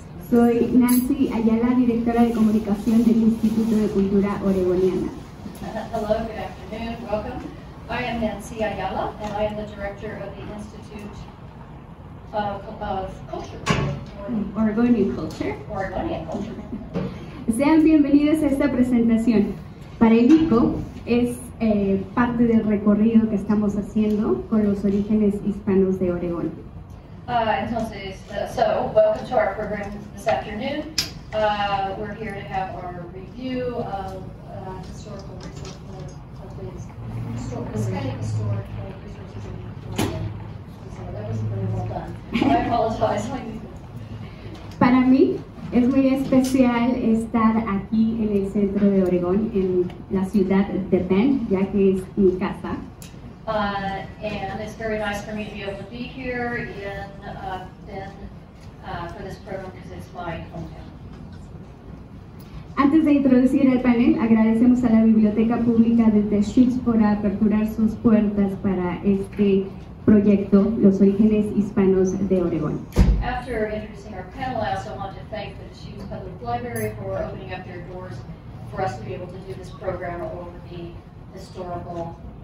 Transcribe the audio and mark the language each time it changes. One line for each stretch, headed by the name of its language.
Spanish: Soy Nancy Ayala, directora de comunicación del Instituto de Cultura Oregoniana.
English: Hello, good afternoon. Welcome. I am Nancy Ayala, and I am the director of the Institute of Culture. Oregonian Culture. Oregonian Culture.
Spanish: Sean bienvenidos a esta presentación. Para el ICO es parte del recorrido que estamos haciendo con los orígenes hispanos de Oregón.
English: Entonces, welcome to our program this afternoon. We're here to have our review of historical resources of these historical resources. So that was very well done. I apologize.
Spanish: Para mí es muy especial estar aquí en el centro de Oregón, en la ciudad de Bend, ya que es mi casa.
English: And it's very nice for me to be able to be here in for this program because it's my hometown.
Spanish: Antes de introducir el panel, agradecemos a la Biblioteca Pública de Deschutes por aperturar sus puertas para este proyecto, Los Orígenes Hispanos de Oregón.
English: After introducing our panel, I also want to thank the Deschutes Public Library for opening up their doors for us to be able to do this program over the historical